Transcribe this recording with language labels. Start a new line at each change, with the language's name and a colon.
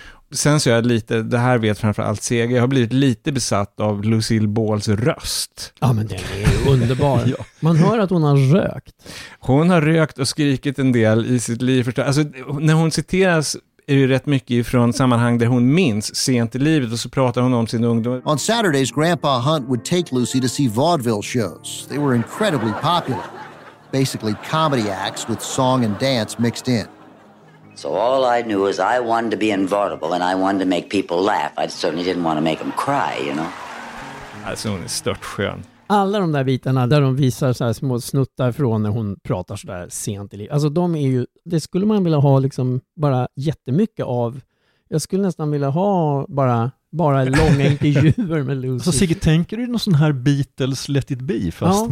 Swedish: Sen så är jag lite, det här vet framförallt Sega, jag har blivit lite besatt av Lucille Balls röst. Ja, men den är ju underbar. Ja. Man hör att hon har rökt. Hon har rökt och skrikit en del i sitt liv. Alltså, när hon citeras är det rätt mycket ifrån sammanhang där hon minns sent i livet, och så pratar hon om sin ungdom.
English: On Saturdays, Grandpa Hunt would take Lucy to see vaudeville shows. They were incredibly popular. Basically comedy acts with song and dance mixed in. So all I knew is I wanted to be invulnerable and I wanted to make people laugh. I certainly didn't want to make them cry, you know.
Swedish: Alltså hon är stört skön. Alla de där bitarna där de visar så här små snuttar från när hon pratar så där sent i livet. Alltså de är ju, det skulle man vilja ha liksom bara jättemycket av. Jag skulle nästan vilja ha bara långa intervjuer med Lucy. Alltså Sigge, tänker du någon sån här Beatles Let It Be fast ja.